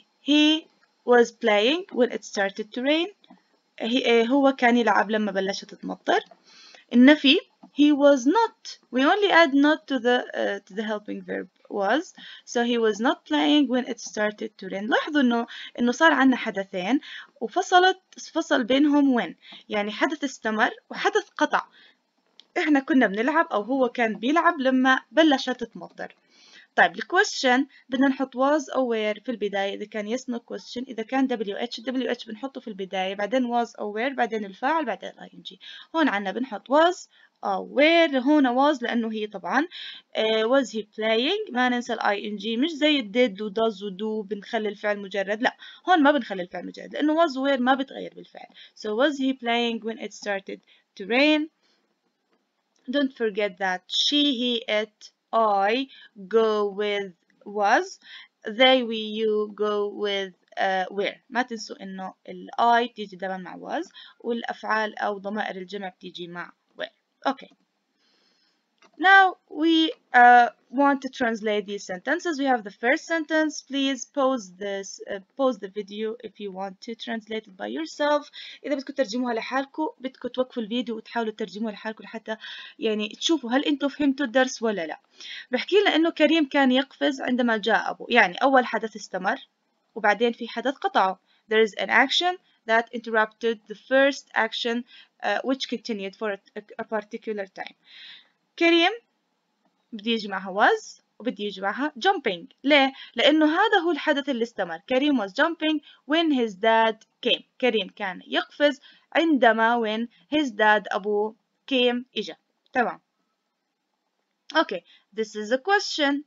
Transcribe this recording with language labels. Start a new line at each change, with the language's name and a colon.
English: He was playing when it started to rain.
Arabic: هو كان يلعب لما بلشت تتمطر.
English: النفي he was not. We only add not to the to the helping verb was. So he was not playing when it started to rain.
Arabic: لاحظوا إنه صار عنا حدثين وفصل بينهم when. يعني حدث استمر وحدث قطع. إحنا كنا بنلعب أو هو كان بيلعب لما بلشت تتمطر. طيب
English: the question
Arabic: بدنا نحط
English: was or were
Arabic: في البداية إذا كان
English: yes no question.
Arabic: إذا كان wh wh بنحطه في البداية بعدين
English: was or were
Arabic: بعدين الفاعل بعدين ing. هون عنا بنحط
English: was or were.
Arabic: هون was لأنه هي طبعا
English: was he playing.
Arabic: ما ننسى ال ing مش زي did و does و do بنخلي الفعل مجرد. لا هون ما بنخلي الفعل مجرد لأنه
English: was where
Arabic: ما بتغير بالفعل.
English: So was he playing when it started to rain. Don't forget that she, he, it, I go with was, they, we, you go with where.
Arabic: ما تنسوا إنه ال I تيجي دائما مع was والأفعال أو ضمائر الجمع بتيجي مع where.
English: Okay. Now we want to translate these sentences. We have the first sentence. Please pause this, pause the video if you want to translate it by yourself.
Arabic: إذا بدكم ترجموها لحالكم بدكم توقفوا الفيديو وتحاولوا ترجموها لحالكم لحتى يعني تشوفوا هل أنتوا فهمتوا الدرس ولا لا. بحكي لنا إنه كريم كان يقفز عندما جاء أبوه. يعني أول حدث استمر وبعدين في حدث قطعه.
English: There is an action that interrupted the first action which continued for a particular time.
Arabic: كريم بدي يجي معها was وبدي يجي معها jumping. ليه؟ لأنه هذا هو الحدث اللي استمر.
English: Karim was jumping when his dad came.
Arabic: كريم كان يقفز عندما
English: when his dad
Arabic: أبوه
English: came
Arabic: إجا. تمام.
English: Okay, this is a question.